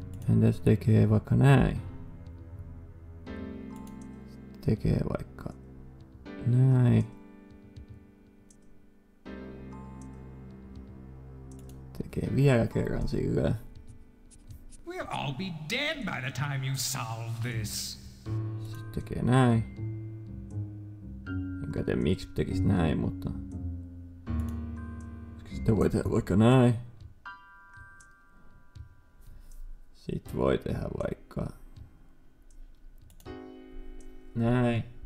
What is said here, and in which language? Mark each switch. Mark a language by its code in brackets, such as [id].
[fi] Entä jos tekee vaikka näin? Tekee vaikka näin. Tekee vielä kerran sillä. [en] We'll all be dead by the time you solve this. [fi] Sitten tekee näin. Enkä tiedä miksi tekis näin, mutta... Sitten voi tehdä vaikka näin. Sitten voi tehdä vaikka... Näin.